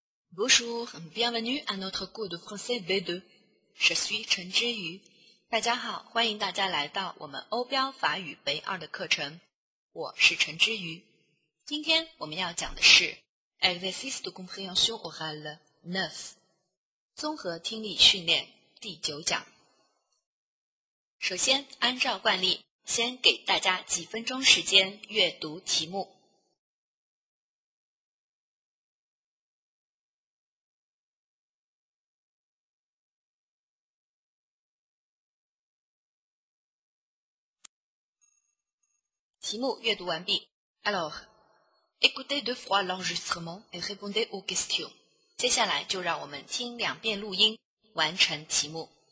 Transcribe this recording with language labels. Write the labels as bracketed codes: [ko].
[fr] Bonjour, bienvenue à notre cours de français B2. Je suis Chen Zhiyu. [zh] 大家好，欢迎大家来到我们欧标法语 B2 的课程。我是陈之瑜。今天我们要讲的是 [fr] Exercice de compréhension orale 9 [zh] 综合听力训练第九讲。首先，按照惯例，先给大家几分钟时间阅读题目。题目阅读完毕。 [fr] Alors, écoutez deux fois l'enregistrement et répondez aux questions. [zh] 接下来就让我们听两遍录音，完成题目。